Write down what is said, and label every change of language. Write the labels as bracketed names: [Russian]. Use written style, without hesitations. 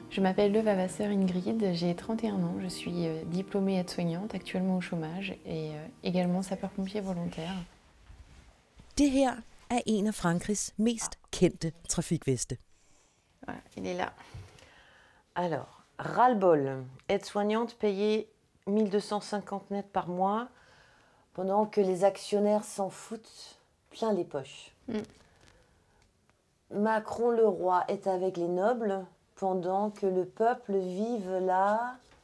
[French] Je m'appelle Levavasseur Ingrid, j'ai 31 ans, je suis diplômée aide-soignante, actuellement au chômage et également sapeur-pompier volontaire. [Danish] Det her er en af Frankrigs mest kendte trafikveste. [French] Voilà, il est là. Alors, ras-le-bol, aide-soignante payée 1250 net par mois pendant que les actionnaires s'en foutent plein les poches. Macron le roi est avec les nobles pendant que le peuple vive la...